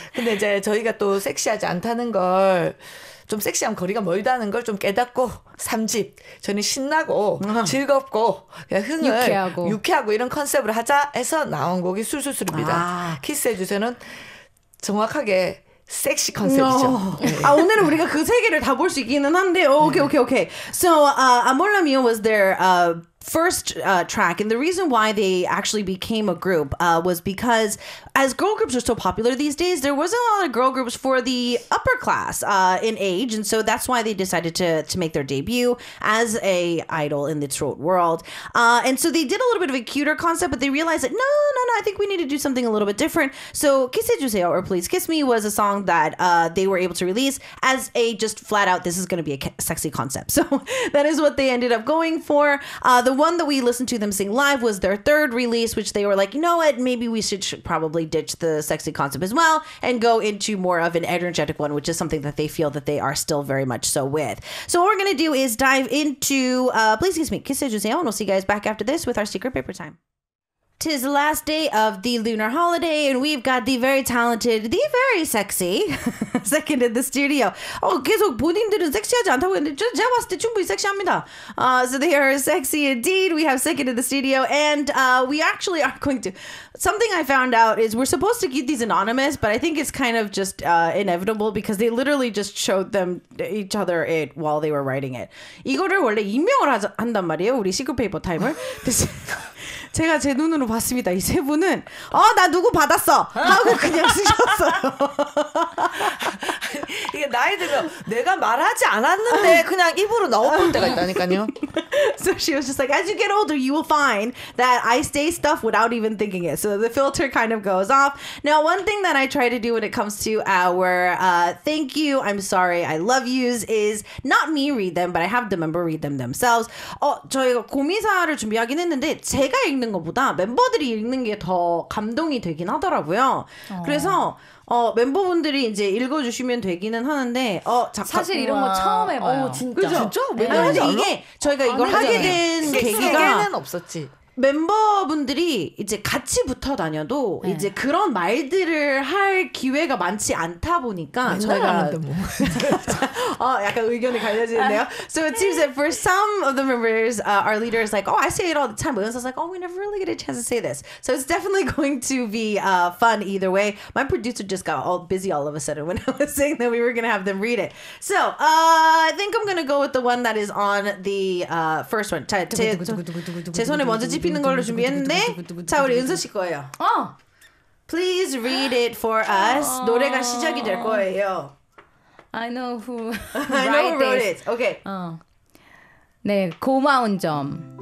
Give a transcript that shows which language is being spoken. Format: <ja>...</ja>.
<ko>근데 이제 저희가 또 섹시하지 않다는 걸 좀 섹시한 거리가 멀다는 걸 좀 깨닫고 삼집 저는 신나고 즐겁고 그냥 흥을 유쾌하고 이런 컨셉으로 하자 해서 나온 곡이 술술술입니다. 아. 키스해주세요는 정확하게 섹시 컨셉이죠.</ko> <en>No.</en> <ko>네. 아 오늘은 우리가 그 세계를 다 볼 수 있기는 한데 오케이 오케이 오케이.</ko> <en>So Amor La Mio was there. First track, and the reason why they actually became a group was because as girl groups are so popular these days, there wasn't a lot of girl groups for the upper class in age, and so that's why they decided to make their debut as a idol in the throat world. And so they did a little bit of a cuter concept, but they realized that, no, I think we need to do something a little bit different. So Kissé Juseo, or Please Kiss Me, was a song that they were able to release as a just flat out, this is going to be a sexy concept. So that is what they ended up going for. The one that we listened to them sing live was their third release, which they were like, you know what, maybe we should probably ditch the sexy concept as well and go into more of an energetic one, which is something that they feel that they are still very much so with. So what we're going to do is dive into, please excuse me, Kissé Juseo, and we'll see you guys back after this with our secret paper time. 'Tis the last day of the lunar holiday, and we've got the very talented, the very sexy second in the studio.</en> <ko>Oh, 계속 본인들은 섹시하지 않다고 했는데 제가 봤을 때 충분히 섹시합니다.</ko> <en>So they are sexy indeed. We have second in the studio, and we actually are going to... Something I found out is we're supposed to keep these anonymous, but I think it's kind of just inevitable because they literally just showed them each other it while they were writing it.</en> <ko>이거를 원래 임명을 한단 말이에요, 우리 secret paper timer. 제가 제 눈으로 봤습니다. 이 세 분은 나 누구 받았어 하고 그냥 쓰셨어요. 이게 나이 들면 내가 말하지 않았는데 그냥 입으로 나올 때가 있다니까요.</ko> <en>So she was just like, as you get older, you will find that I say stuff without even thinking it. So the filter kind of goes off. Now, one thing that I try to do when it comes to our thank you, I'm sorry, I love yous is not me read them, but I have the member read them themselves.</en> <ko>저희가 고미사를 준비하긴 했는데 제가 읽는 것보다 멤버들이 읽는 게 더 감동이 되긴 하더라고요. 그래서 멤버분들이 이제 읽어주시면 되기는 하는데 사실 이런 거 처음 해봐요. 진짜? 왜냐면 근데 이게 저희가 이걸 하게 된 계기가 세계는 없었지. 멤버분들이 이제 같이 붙어 다녀도 네. 이제 그런 말들을 할 기회가 많지 않다 보니까 저희가 약간 의견이 갈려지는데요.</ko> <en>So it seems that for some of the members, our leader is like, oh, I say it all the time. Williams is like, oh, we never really get a chance to say this. So it's definitely going to be fun either way. My producer just got all busy all of a sudden when I was saying that we were going to have them read it. So I think I'm going to go with the one that is on the first one.</en> <ko>제 손에 먼저 집 피는 걸로 준비했는데 자 우리 은서 씨 거예요.</ko> <en>Please read it for us.</en> <ko>노래가 시작이 될 거예요.</ko> <en>I know who I know who wrote it. Okay.</en> <ko>네 고마운 점.</ko>